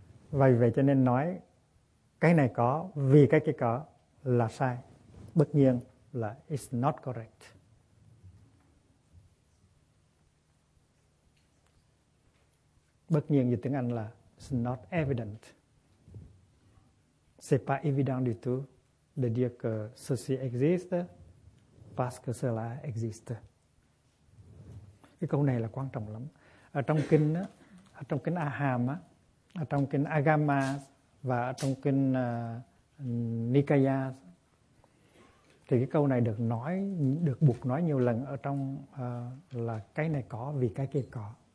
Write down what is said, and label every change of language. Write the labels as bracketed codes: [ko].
[vi] Vậy vậy cho nên nói cái này có vì cái kia có là sai. Bất nhiên là [en] it's not correct. [vi] Bất nhiên như tiếng Anh là [en] it's not evident. [fr] C'est pas évident du tout de dire que ceci existe parce que cela existe. [vi] Cái câu này là quan trọng lắm. Ở trong kinh á, ở trong kinh A-hàm á, ở trong kinh Agama và ở trong kinh Nikaya thì cái câu này được nói, được buộc nói nhiều lần ở trong là cái này có vì cái kia có.